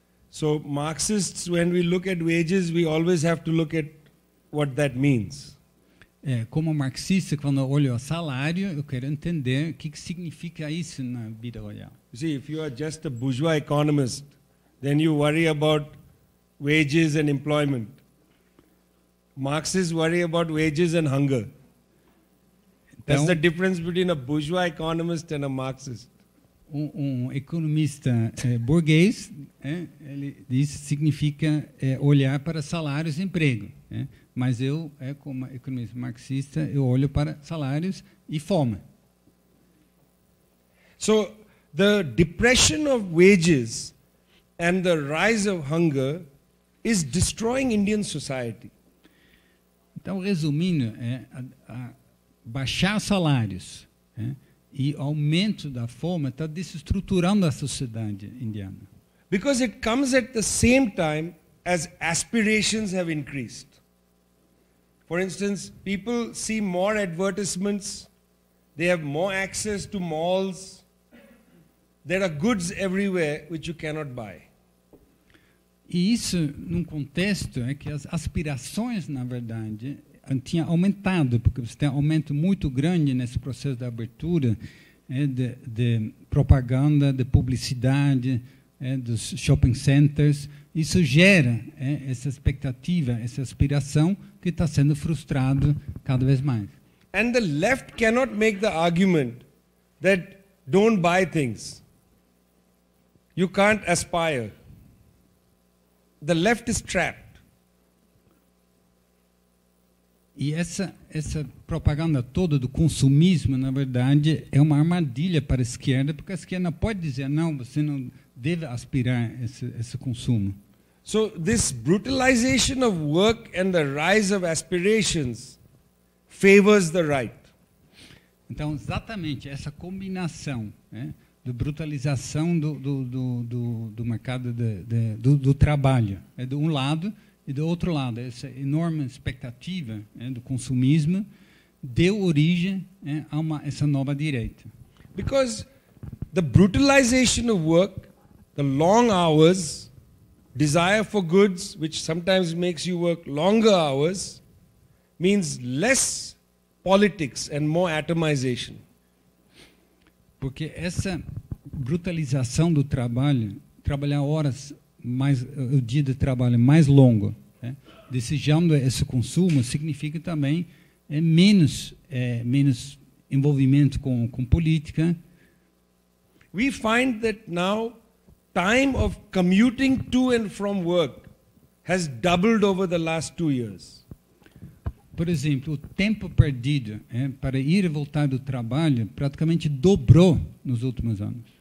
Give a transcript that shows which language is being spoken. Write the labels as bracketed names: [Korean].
[English] So Marxists, when we look at wages, we always have to look at what that means. [Portuguese] Como marxista, quando olho o salário, eu quero entender o que significa isso na vida real. [English] You see, if you are just a bourgeois economist, then you worry about wages and employment. Marxists worry about wages and hunger. Então, that's the difference between a bourgeois economist and a Marxist. [Portuguese] um economista burguês, ele disse que significa olhar para salários e emprego. Mas eu, como economista marxista, eu olho para salários e fome. [English] So, the depression of wages and the rise of hunger is destroying Indian society. [Portuguese] Então, resumindo, a baixar salários e aumento da fome está desestruturando a sociedade indiana. [English] Because it comes at the same time as aspirations have increased. For instance, people see more advertisements, they have more access to malls, there are goods everywhere which you cannot buy. [Portuguese] E isso num contexto é que as aspirações, na verdade, tinha aumentado, porque você tem um aumento muito grande nesse processo de abertura, de propaganda, de publicidade, dos shopping centers. Isso gera essa expectativa, essa aspiração que está sendo frustrado cada vez mais. [English] And the left cannot make the argument that don't buy things. You can't aspire. The left is trapped. [Portuguese] E essa propaganda toda do consumismo, na verdade, é uma armadilha para a esquerda, porque a esquerda pode dizer, não, você não deve aspirar esse consumo. [English] So this brutalization of work and the rise of aspirations favors the right. [Portuguese] Então, exatamente essa combinação de brutalização do mercado do trabalho, de um lado, e do outro lado, essa enorme expectativa do consumismo deu origem a essa nova direita. [English] Because the brutalization of work, the long hours, desire for goods, which sometimes makes you work longer hours, means less politics and more atomization. [Portuguese] Porque essa brutalização do trabalho, trabalhar horas mais, o dia de trabalho mais longo, desejando esse consumo, significa também menos envolvimento com política. [English] We find that now time of commuting to and from work has doubled over the last 2 years. [Portuguese] Por exemplo, o tempo perdido para ir e voltar do trabalho praticamente dobrou nos últimos anos.